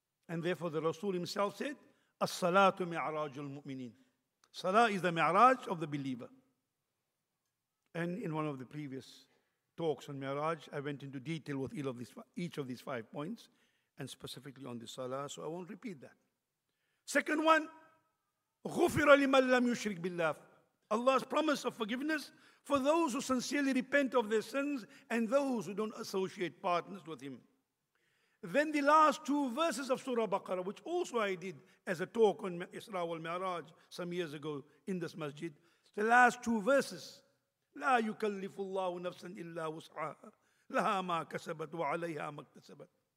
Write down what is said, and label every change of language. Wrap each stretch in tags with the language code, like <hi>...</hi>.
<en>And therefore the Rasul himself said,</en> <ar>As-salatu mi'rajul mu'minin.</ar> <en>Salah is the mi'raj of the believer. And in one of the previous talks on Mi'raj, I went into detail with each of these 5 points, and specifically on the salah, so I won't repeat that. Second one,</en> <ar>غُفِرَ لِمَنْ لَمْ يُشْرِكْ بِاللَّهِ.</ar> <en>Allah's promise of forgiveness for those who sincerely repent of their sins and those who don't associate partners with him. Then the last 2 verses of Surah Baqarah, which also I did as a talk on Isra wal Mi'raj some years ago in this masjid, the last 2 verses,</en> <ar>لا يكلف الله نفسا إلا وسعها لها ما كسبت وعليها ما اكتسبت.</ar>